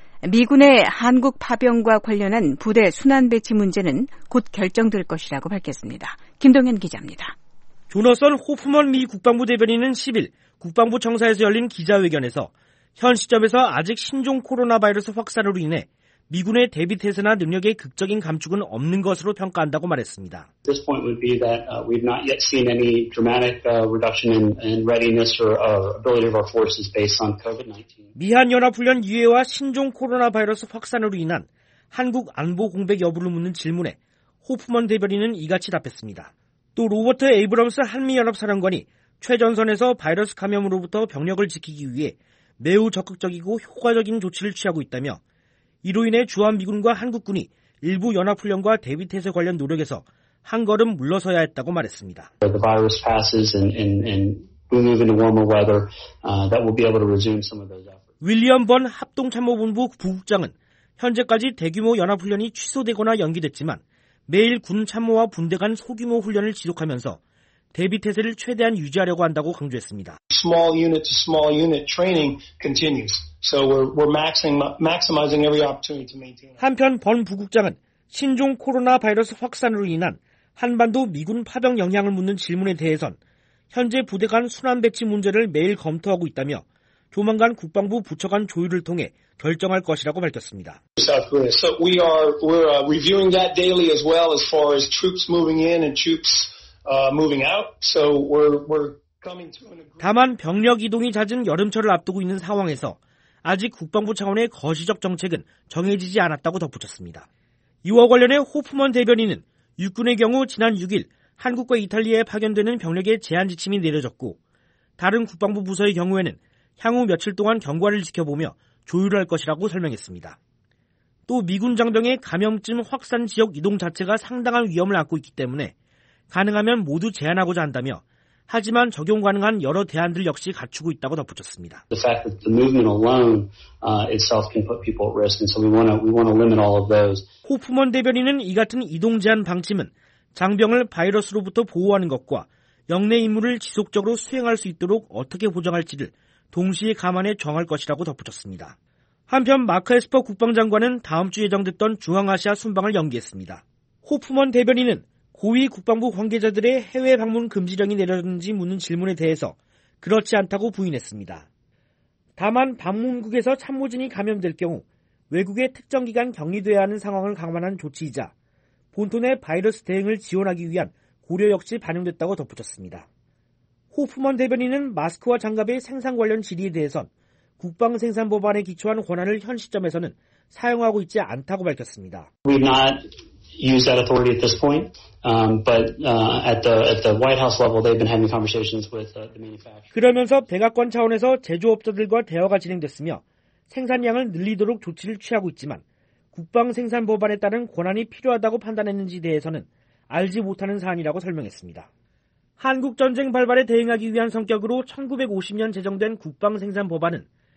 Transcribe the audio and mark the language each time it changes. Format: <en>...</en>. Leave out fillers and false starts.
<ko>미군의 한국 파병과 관련한 부대 순환 배치 문제는 곧 결정될 것이라고 밝혔습니다. 김동현 기자입니다. 조너선 호프먼 미 국방부 대변인은 10일 국방부 청사에서 열린 기자회견에서 현 시점에서 아직 신종 코로나 바이러스 확산으로 인해 미군의 대비 태세나 능력의 극적인 감축은 없는 것으로 평가한다고 말했습니다.</ko> <en>At this point would be that we've not yet seen any dramatic reduction in readiness or ability of our forces based on COVID-19.</en> <ko>미한 연합 훈련 유예와 신종 코로나 바이러스 확산으로 인한 한국 안보 공백 여부를 묻는 질문에 호프먼 대변인은 이같이 답했습니다. 또 로버트 에이브럼스 한미 연합 사령관이 최전선에서 바이러스 감염으로부터 병력을 지키기 위해 매우 적극적이고 효과적인 조치를 취하고 있다며 이로 인해 주한미군과 한국군이 일부 연합훈련과 대비태세 관련 노력에서 한 걸음 물러서야 했다고 말했습니다.</ko> <en>The virus passes and we move into warmer weather, that will be able to resume some of those efforts.</en> <ko>윌리엄 번 합동참모본부 부국장은 현재까지 대규모 연합훈련이 취소되거나 연기됐지만 매일 군참모와 분대 간 소규모 훈련을 지속하면서 대비태세를 최대한 유지하려고 한다고 강조했습니다.</ko> <en>Small unit to small unit training continues. So we're maximizing every opportunity to maintain.</en> <ko>한편 번 부국장은 신종 코로나 바이러스 확산으로 인한 한반도 미군 파병 영향을 묻는 질문에 대해선 현재 부대 간 순환 배치 문제를 매일 검토하고 있다며 조만간 국방부 부처 간 조율을 통해 결정할 것이라고 밝혔습니다.</ko> <en>So we're reviewing that daily as well as far as troops moving in and troops moving out. So we're coming to an agreement.</en> <ko>다만 병력 이동이 잦은 여름철을 앞두고 있는 상황에서 아직 국방부 차원의 거시적 정책은 정해지지 않았다고 덧붙였습니다. 이와 관련해 호프먼 대변인은 육군의 경우 지난 6일 한국과 이탈리아에 파견되는 병력의 제한 지침이 내려졌고 다른 국방부 부서의 경우에는 향후 며칠 동안 경과를 지켜보며 조율할 것이라고 설명했습니다. 또 미군 장병의 감염증 확산 지역 이동 자체가 상당한 위험을 안고 있기 때문에 가능하면 모두 제한하고자 한다며 하지만 적용 가능한 여러 대안들 역시 갖추고 있다고 덧붙였습니다.</ko> <en>The fact that the movement alone itself can put people at risk, and so we want to limit all of those.</en> <ko>호프먼 대변인은 이 같은 이동 제한 방침은 장병을 바이러스로부터 보호하는 것과 역내 임무를 지속적으로 수행할 수 있도록 어떻게 보장할지를 동시에 감안해 정할 것이라고 덧붙였습니다. 한편 마크 에스퍼 국방장관은 다음 주 예정됐던 중앙아시아 순방을 연기했습니다. 호프먼 대변인은 고위 국방부 관계자들의 해외 방문 금지령이 내려졌는지 묻는 질문에 대해서 그렇지 않다고 부인했습니다. 다만 방문국에서 참모진이 감염될 경우 외국에 특정 기간 격리돼야 하는 상황을 감안한 조치이자 본토 내 바이러스 대응을 지원하기 위한 고려 역시 반영됐다고 덧붙였습니다. 호프먼 대변인은 마스크와 장갑의 생산 관련 질의에 대해선 국방생산법안에 기초한 권한을 현 시점에서는 사용하고 있지 않다고 밝혔습니다.</ko> <en>We're not use that authority at this point. But at the White House level they've been having conversations with the manufacturer.</en> <ko>그러면서 백악관 차원에서 제조업자들과 대화가 진행됐으며 생산량을 늘리도록 조치를 취하고 있지만 국방 생산 법안에 따른 권한이 필요하다고 판단했는지 대해서는 알지 못하는 사안이라고 설명했습니다. 한국 전쟁 발발에 대응하기 위한 성격으로 1950년 제정된 국방 생산 법안은</ko>